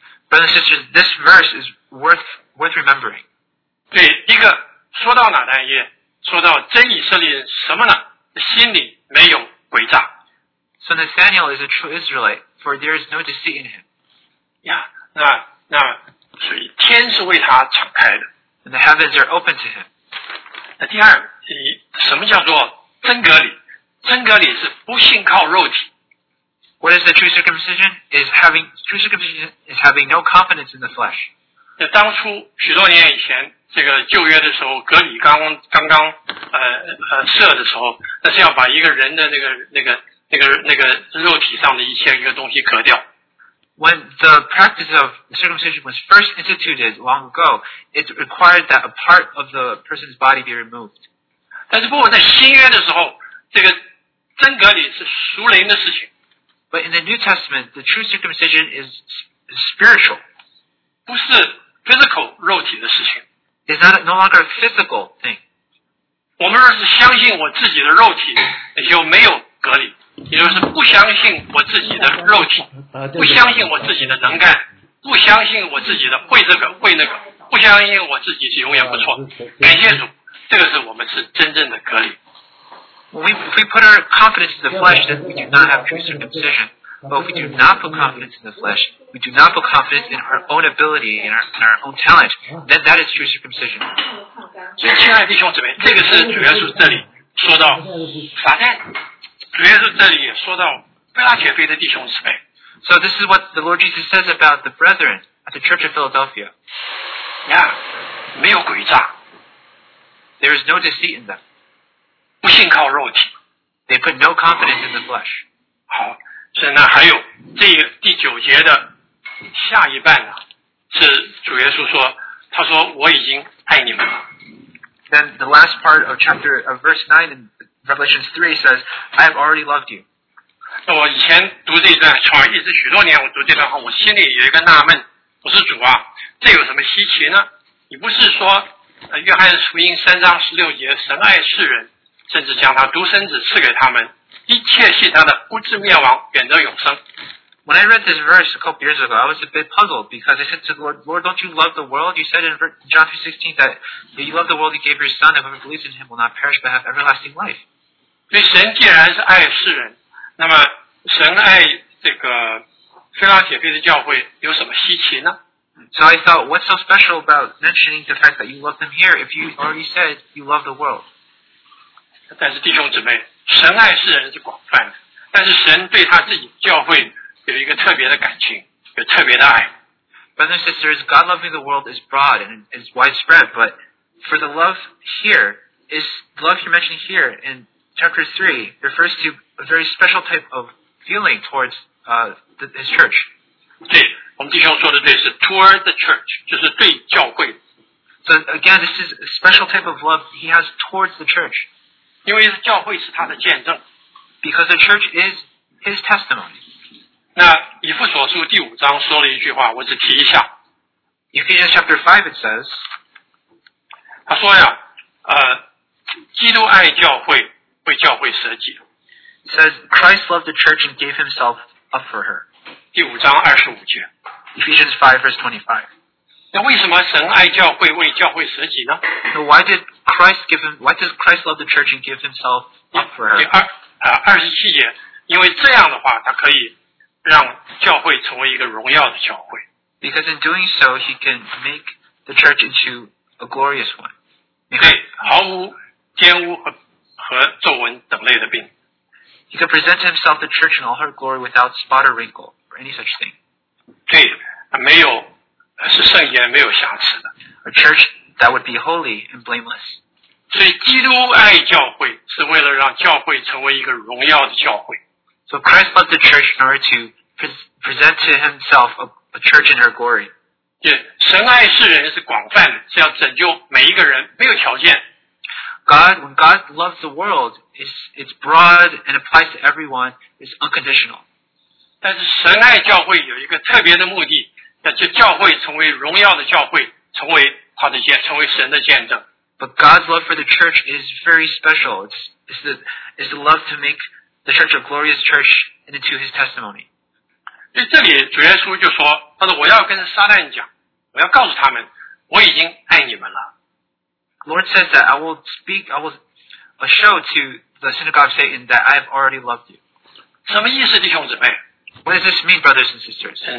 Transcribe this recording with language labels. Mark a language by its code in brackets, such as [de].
[en] Brothers and sisters, this verse is worth remembering. [zh] 对，一个说到哪呢？也说到真以色列人什么呢？心里没有诡诈。 [en] So Nathanael is a true Israelite, for there is no deceit in him. [zh] Yeah, 那所以天是为他敞开的。 [en] And the heavens are open to him. [zh] 那第二，什么叫做真割礼？真割礼是不信靠肉体。 [en] What is the true circumcision? Is having no confidence in the flesh. [zh] 那当初许多年以前，这个旧约的时候，割礼刚刚设的时候，那是要把一个人的那个肉体上的一个东西割掉。 [en] When the practice of circumcision was first instituted long ago, it required that a part of the person's body be removed. [zh] 但是不过在新约的时候，这个真隔离是属灵的事情。 [en] But in the New Testament, the true circumcision is spiritual. [zh] 不是 physical 肉体的事情。 [en] It's not no longer a physical thing. [zh] 我们若是相信我自己的肉体，就没有隔离。也就是不相信我自己的肉体，不相信我自己的能干，不相信我自己的会这个会那个，不相信我自己是永远不错。感谢主，这个是我们是真正的隔离。 [en] If we put our confidence in the flesh, then we do not have true circumcision. But if we do not put confidence in the flesh, we do not put confidence in our own ability, in our own talent, then that is true circumcision. [zh] 所以，亲爱的弟兄姊妹，这个是主耶稣这里说到撒旦。主耶稣这里也说到腓拉铁菲的弟兄姊妹。 [en] So this is what the Lord Jesus says about the brethren at the Church of Philadelphia. [zh] Yeah, 没有诡诈。 [en] There is no deceit in them. [zh] 不信靠肉体。 [en] They put no confidence in the flesh. [zh] 好，所以呢，还有这个第九节的下一半呢，是主耶稣说，他说我已经爱你们了。 [en] Then the last part of chapter of verse 9 in Revelation 3 says, I have already loved you. [zh] 我以前读这段从一直许多年我读这段话，我心里有一个纳闷，我说主啊，这有什么稀奇呢？你不是说约翰福音三章十六节，神爱世人，甚至将他独生子赐给他们，一切信他的不至灭亡，远得永生。 [en] When I read this verse a couple years ago, I was a bit puzzled because I said to the Lord, don't you love the world? You said in John 3:16 that you love the world, you gave your son, and whoever believes in him will not perish but have everlasting life. [zh] 所以神既然是爱世人，那么神爱这个腓拉铁菲的教会有什么稀奇呢？ [en] So I thought, what's so special about mentioning the fact that you love them here if you already said you love the world? [zh] 但是弟兄姊妹，神爱世人是广泛的，但是神对他自己教会有一个特别的感情，有特别的爱。 [en] Brothers and sisters, God loving the world is broad and is widespread, but for the love here, is love you mentioned here in chapter 3 refers to a very special type of feeling towards his church. [zh] 对，我们弟兄说的对，是 [en] toward the church, [zh] 就是对教会。 [en] So again, this is a special type of love he has towards the church. [zh] 因为教会是他的见证。 [en] Because the church is his testimony. [zh] 那以弗所书第五章说了一句话，我只提一下。 [en] Ephesians chapter 5 it says, [zh] 他说呀，基督爱教会，为教会舍己。 [en] Says Christ loved the church and gave himself up for her. [zh] 第五章二十五节。 [en] Ephesians 5 verse 25. [zh] 那为什么神爱教会为教会舍己呢？ [en] So why does Christ love the church and give himself up for her? [zh] 二十七节，因为这样的话，他可以让教会成为一个荣耀的教会。 [en] Because in doing so, he can make the church into a glorious one. [zh] 对，毫无玷污和皱纹等类的病。 [en] He can present himself the church in all her glory without spot or wrinkle or any such thing. [zh] 对，没有，是圣洁，没有瑕疵的。 [en] A church that would be holy and blameless. [zh] 所以基督爱教会是为了让教会成为一个荣耀的教会。 [en] So Christ loved the church in order to present to himself a church in her glory. [zh] 对，神爱世人是广泛的，是要拯救每一个人，没有条件。 [en] God, when God loves the world, it's broad and applies to everyone, it's unconditional. [zh] 但是神爱教会有一个特别的目的，那就教会成为荣耀的教会，成为神的见证。 [en] But God's love for the church is very special. It's the love to make the church a glorious church into His testimony. [zh] 这里主耶稣就说，他说我要跟撒旦讲，我要告诉他们我已经爱你们了。 [en] Lord says that I will show to the synagogue of Satan that I've already loved you. [zh] 什么意思，弟兄姊妹？ [en] What does this mean, brothers and sisters?